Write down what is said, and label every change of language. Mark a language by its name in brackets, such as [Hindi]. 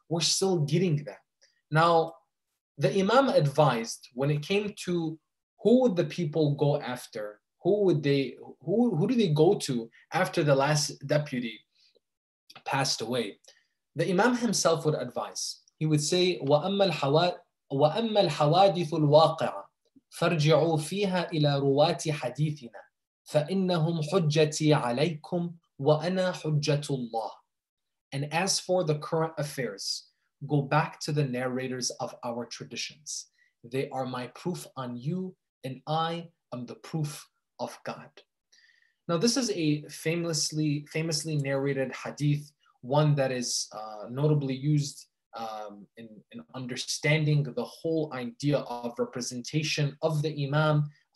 [English] We're still getting that. Now, the imam advised when it came to who would the people go after, who do they go to after the last deputy passed away? The imam himself would advise. He would say, [Arabic] وَأَمَّا الْحَوَادِثُ الْوَاقِعَةُ فَارْجِعُوا فِيهَا إِلَى رُوَاتِ حَدِيثِنَا فَإِنَّهُمْ حُجَّتِي عَلَيْكُمْ وَأَنَا حُجَّةُ اللَّهِ. [English] And as for the current affairs, go back to the narrators of our traditions. They are my proof on you, and I am the proof of God. Now, this is a famously narrated hadith, one that is notably used in understanding the whole idea of representation of the imam,